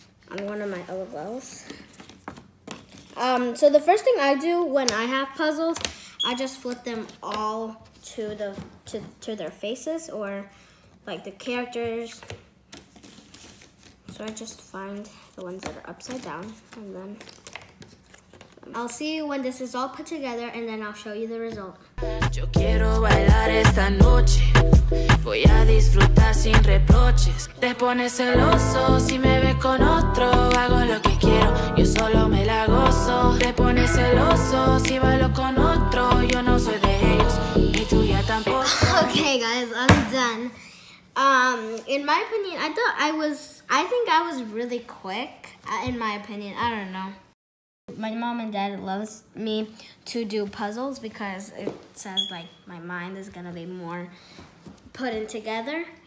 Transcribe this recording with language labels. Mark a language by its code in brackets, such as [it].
[en] I'm one of my LOLs. So the first thing I do when I have puzzles, I just flip them all to their faces or like the characters. So I just find the ones that are upside down and then I'll see when this is all put together and then I'll show you the result. [es] Yo quiero bailar esta noche. Voy a disfrutar sin reproches. Te pones celoso si me ves con otro. Hago lo que quiero, yo solo me la gozo. Te pones celoso si bailo con otro. Yo no soy de ellos, ni tuya tampoco. [en] Okay, guys, I'm done. In my opinion, I think I was really quick. In my opinion, I don't know. My mom and dad loves me to do puzzles because it says like my mind is gonna be more put in together.